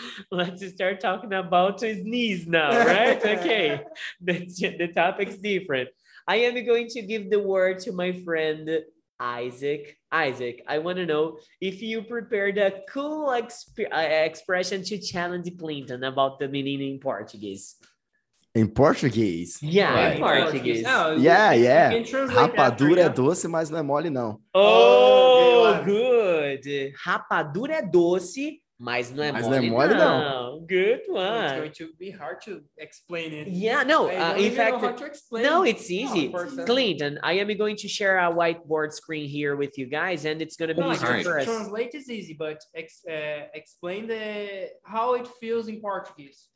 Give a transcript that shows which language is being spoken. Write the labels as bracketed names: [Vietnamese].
[English] let's start talking about to sneeze now, right? Okay, the topic's different. I am going to give the word to my friend Isaac. Isaac, I want to know if you prepared a cool expression to challenge Clinton about the meaning in Portuguese. In Portuguese? Yeah, right. In Portuguese. No, yeah, yeah. [Portuguese] Rapadura é doce, mas não é mole, não. [English] Oh, good. [Portuguese] Rapadura é doce, mas não é mas mole, não. [English] Good one. It's going to be hard to explain it. Yeah, no. In fact, hard to explain. No, it's easy. Oh, Clinton, I am going to share a whiteboard screen here with you guys, and it's going to be easy for us. Translate is easy, but explain the how it feels in Portuguese.